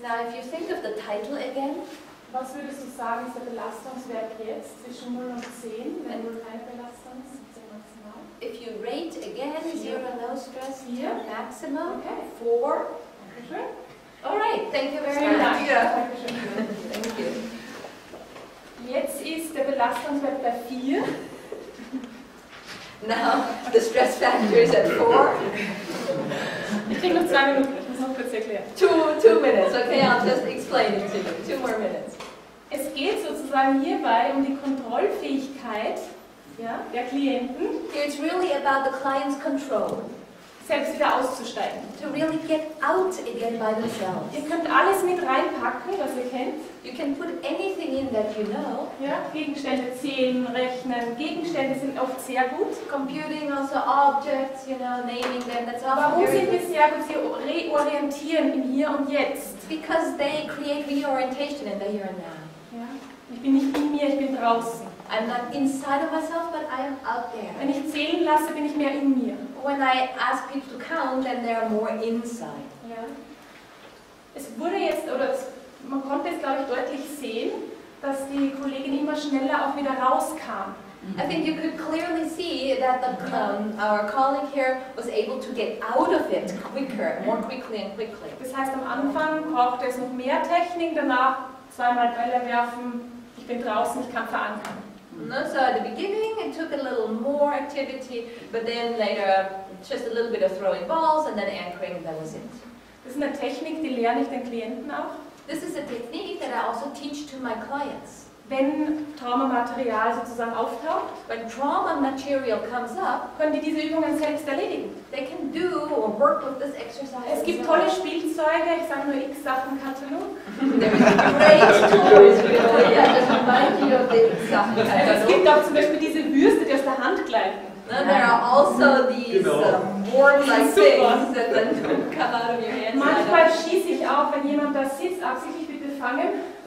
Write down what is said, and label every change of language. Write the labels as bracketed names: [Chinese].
[English] Now, if you think of the title again. [German] Was würdest du sagen, ist der Belastungswert jetzt zwischen 0 und 10, wenn du keine Belastung hast, 10 maximal? [English] If you rate again, 0 low stress, 4 maximal, okay. 4. [German] Dankeschön. [English] All right. Thank you very much. Thank you. [German] Jetzt ist der Belastungswert bei 4. [English] Now, the stress factor is at 4. [German] Ich krieg noch 2 Minuten, ich muss noch kurz erklären. [English] Two minutes, okay, I'll just explain it to you. 2 more minutes. [German] Es geht sozusagen hierbei um die Kontrollfähigkeit, ja, der Klienten. [English] It's really about the client's control. [German] Selbst wieder auszusteigen. [English] To really get out again by themselves. [German] Ihr könnt alles mit reinpacken, was ihr kennt. [English] You can put anything in that you know. [German] Ja, Gegenstände zählen, rechnen. Gegenstände sind oft sehr gut. [English] Computing also objects, you know, naming them. That's often [German] warum sind wir sehr gut? Sie reorientieren im Hier und Jetzt. [English] Because they create reorientation in the here and now. [German] Ja. Ich bin nicht in mir, ich bin draußen. [English] I'm not inside of myself, but I am out there. [German] Wenn ich zählen lasse, bin ich mehr in mir. [English] When I ask people to count, then they are more inside. [German] Ja. Es wurde jetzt, oder es, man konnte es, glaube ich, deutlich sehen, dass die Kollegin immer schneller auch wieder rauskam. [English] I think you could clearly see that the, our colleague here was able to get out of it quicker, more quickly and quickly. [German] Das heißt, am Anfang brauchte es noch mehr Technik, danach zweimal Bälle werfen, ich bin draußen, ich kann verankern. [English] No, so at the beginning it took a little more activity, but then later just a little bit of throwing balls and then anchoring, that was it. [German] Das ist eine Technik, die lerne ich den Klienten auch. [English] This is a technique that I also teach to my clients. [German] Wenn Traumamaterial sozusagen auftaucht, [English] when trauma material comes up, [German] können die diese Übungen selbst erledigen. [English] They can do or work with this exercise. [German] Es gibt tolle Spielzeuge, ich sage nur X Sachen Katalog. [English] There is great toys, really. Yeah, just remind you of the X Sachen Katalog. [German] Es gibt auch zum Beispiel diese Würste, die aus der Hand gleiten. [English] No, there are also these warm-like things that then come out of your hands. [German] Manchmal schieße ich auch, wenn jemand da sitzt, absichtlich mit befangen.